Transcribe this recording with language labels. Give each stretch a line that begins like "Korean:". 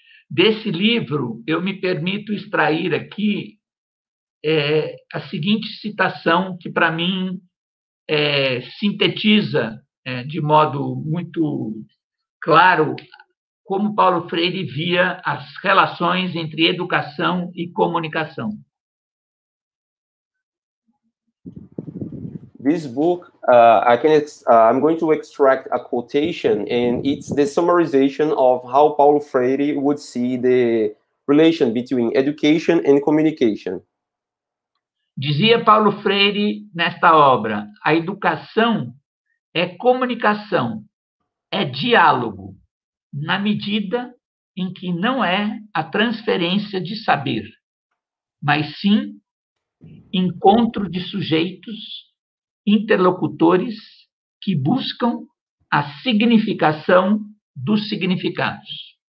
Portuguese: Desse livro, eu me permito extrair aqui a seguinte citação que, para mim, sintetiza de modo muito claro como Paulo Freire via as relações entre educação e comunicação.
English: This book, I'm going to extract a quotation, and it's the summarization of how Paulo Freire would see the relation between education and communication.
Portuguese: Dizia Paulo Freire nesta obra, a educação é comunicação, é diálogo, na medida em que não é a transferência de saber, mas sim encontro de sujeitos, interlocutores que buscam a significação dos significados.